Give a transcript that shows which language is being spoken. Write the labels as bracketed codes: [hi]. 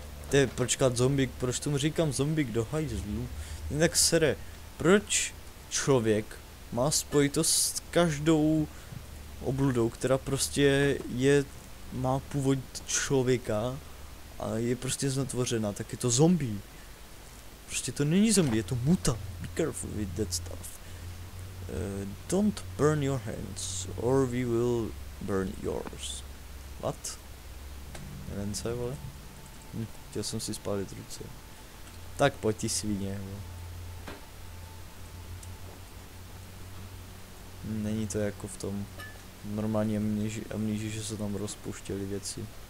[cs] To je počkat zombík, proč tomu říkám zombík do hajzlu? Jinak sere, proč člověk má spojitost s každou obludou, která prostě je, má původ člověka a je prostě znetvořena, tak je to zombie. Prostě to není zombie, je to muta. [en] Be careful with that stuff. Don't burn your hands, or we will burn yours. [cs] What? Nevím co, vole. Chtěl jsem si spálit ruce. Tak pojď ty svině, vole. Není to jako v tom normální amnížii, že se tam rozpuštěly věci.